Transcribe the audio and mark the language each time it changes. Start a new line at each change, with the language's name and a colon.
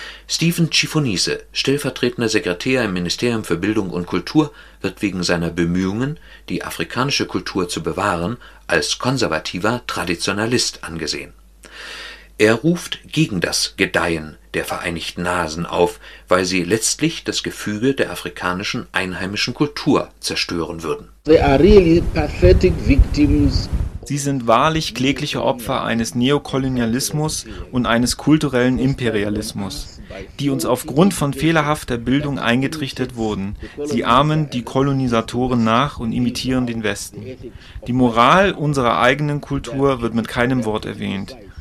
German: Stephen Chifonise, stellvertretender Sekretär im Ministerium für Bildung und Kultur, wird wegen seiner Bemühungen, die afrikanische Kultur zu bewahren, als konservativer Traditionalist angesehen. Er ruft gegen das Gedeihen der Vereinigten Nasen auf, weil sie letztlich das Gefüge der afrikanischen einheimischen Kultur zerstören würden.
English: They are really pathetic victims.
German: Sie sind wahrlich klägliche Opfer eines Neokolonialismus und eines kulturellen Imperialismus, die uns aufgrund von fehlerhafter Bildung eingetrichtert wurden. Sie ahmen die Kolonisatoren nach und imitieren den Westen. Die Moral unserer eigenen Kultur wird mit keinem Wort erwähnt.